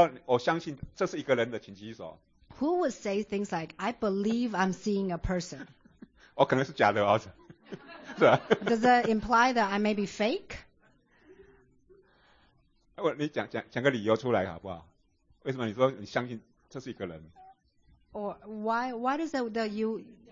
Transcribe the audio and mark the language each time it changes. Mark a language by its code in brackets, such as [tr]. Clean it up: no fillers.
[zh] 哪个?你说我相信这是一个人的,请举手。 [en] Who would say things like, I believe I'm seeing a person? [zh] 我可能是假的, 是吧? [en] Does that imply that I may be fake? [zh] 你讲个理由出来好不好?为什么你说你相信这是一个人? [en] Or why does that that you...